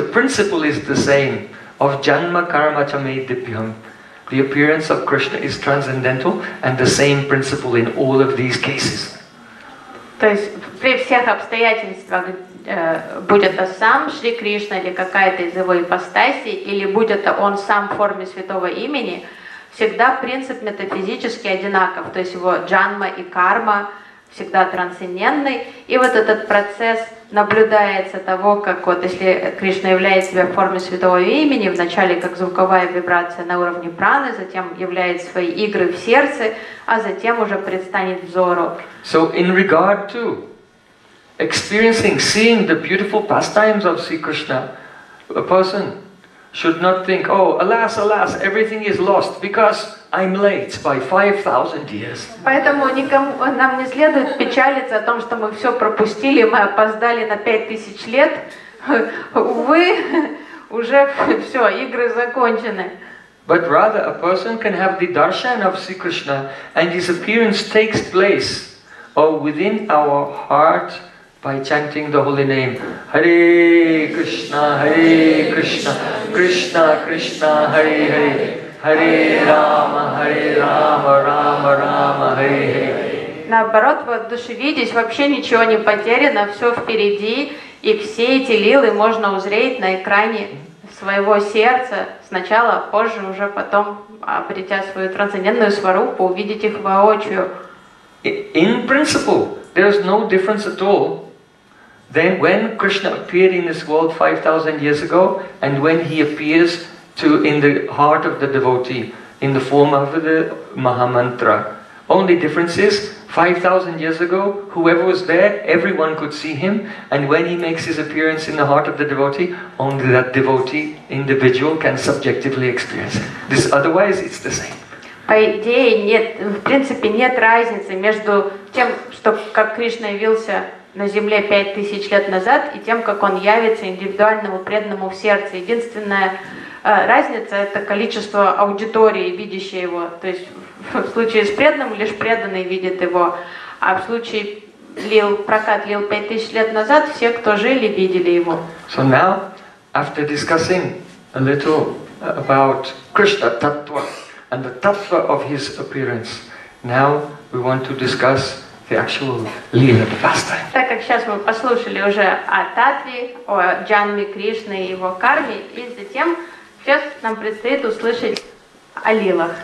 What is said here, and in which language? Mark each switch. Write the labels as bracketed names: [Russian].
[English] The principle is the same of Janma Karma Chame Dibhyam. The appearance of Krishna is transcendental, and the same principle in all of these cases. [Russian] То есть при всех обстоятельствах, будь это сам Шри Кришна или какая-то из его ипостасей, или будь это он сам в форме святого имени, всегда принцип метафизически одинаков, то есть его джанма и карма всегда трансцендентны, и вот этот процесс наблюдается того, как вот если Кришна являет себя в форме святого имени, вначале как звуковая вибрация на уровне праны, затем являет свои игры в сердце, а затем уже предстанет взору. [English] So in regard to experiencing, seeing the beautiful pastimes of Sri Krishna, a person should not think, oh, alas, alas, everything is lost because I'm late by 5,000 years. [Russian] Поэтому нам не следует печалиться о том, что мы все пропустили, мы опоздали на 5000 лет. Увы, уже все, игры закончены. [English] But rather, a person can have the darshan of Sri Krishna and his appearance takes place within our heart by chanting the holy name. [Sanskrit] Hare Krishna, Hare Krishna, Krishna Krishna, Hare Hare. Hare Rama, Rama Rama, Hare Hare. [Russian] Наоборот, воодушевитесь, вообще ничего не потеряно, все впереди, и все эти лилы можно узреть на экране своего сердца. Сначала, позже, уже потом, обретя свою трансцендентную сварупу, увидеть их воочию. [English] In principle, there is no difference at all. Then when Krishna appeared in this world 5,000 years ago, and when he appears to in the heart of the devotee, in the form of the Mahamantra. Only difference is, 5,000 years ago, whoever was there, everyone could see him, and when he makes his appearance in the heart of the devotee, only that devotee, individual, can subjectively experience. This, otherwise, it's the same. [Russian] По идее, нет, в принципе, нет разницы между тем, что как Кришна явился на земле 5000 лет назад, и тем, как он явится индивидуальному преданному в сердце. Единственное, разница — это количество аудитории, видящей его. То есть в случае с преданным лишь преданный видит его. А в случае прокат лил 5000 лет назад, все, кто жили, видели его. [English] So now, after discussing a little about Krishna Tattva and the Tattva of his appearance, now we want to discuss the actual lila, the pastime. [Russian] Так как сейчас мы послушали уже о Таттве, о Джанме Кришне и его карме, и затем сейчас нам предстоит услышать о лилах.